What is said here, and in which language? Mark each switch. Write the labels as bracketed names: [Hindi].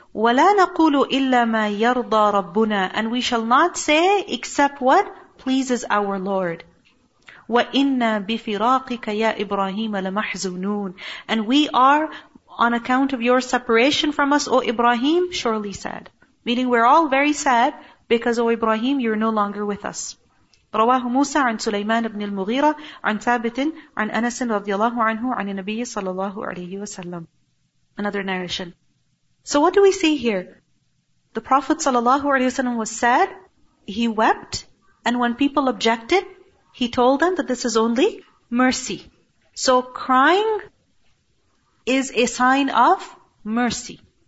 [Arabic] وَلَا نَقُولُ إِلَّا مَا يَرْضَى رَبُّنَا. [English] And we shall not say except what pleases our Lord. [Arabic] وَإِنَّا بِفِرَاقِكَ يَا إِبْرَاهِيمَ لَمَحْزُنُونَ. [English] And we are, on account of your separation from us, O Ibrahim, surely sad. Meaning we're all very sad, because O Ibrahim, you're no longer with us. [Arabic] رواه موسى عن سليمان بن المغيرة عن ثابت عن أنس رضي الله عنه عن النبي صلى الله عليه وسلم. [English] Another narration. So what do we see here? The Prophet [Arabic] صلى الله عليه وسلم [English] was sad, he wept, and when people objected, he told them that this is only mercy. So crying is a sign of mercy.